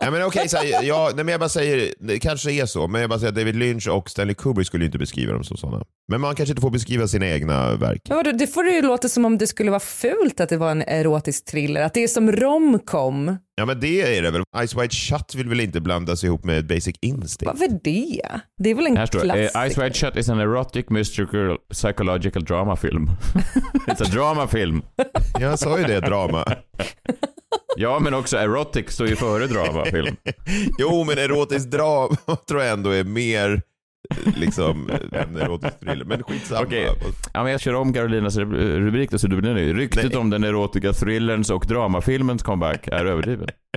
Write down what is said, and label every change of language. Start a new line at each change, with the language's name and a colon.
Swedish: Ja, men okej, okay, jag bara säger, det kanske är så, men jag bara säger, David Lynch och Stanley Kubrick skulle ju inte beskriva dem som sådana. Men man kanske inte får beskriva sina egna verk. Ja, det får ju låta som om det skulle vara fult att det var en erotisk thriller, att det är som romcom. Ja, men det är det väl. Ice White Shut vill väl inte blandas ihop med Basic Instinct. Varför det? Det är väl en klassiker.
English: Ice White Shut is an erotic mystical psychological drama film. It's a drama film.
Swedish: Jag sa ju det, drama. Ja, men också erotic står ju före dramafilm. Jo, men erotisk drama tror jag ändå är mer liksom en erotisk thriller. Men skitsamma. Okej. Ja, men jag kör om Carolinas rubrik då, så du blir ny. Ryktet om den erotiska thrillerns och dramafilmens comeback är överdriven.